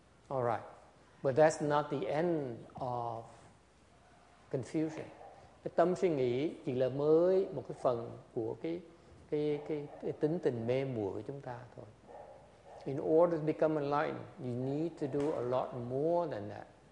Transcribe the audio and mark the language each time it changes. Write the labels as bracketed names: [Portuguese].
[English] Alright. But that's not the end of confusion. [Vietnamese] cái tâm suy nghĩ chỉ là mới một cái phần của cái tính tình mê muội của chúng ta thôi. [English] In order to become enlightened, you need to do a lot more than that.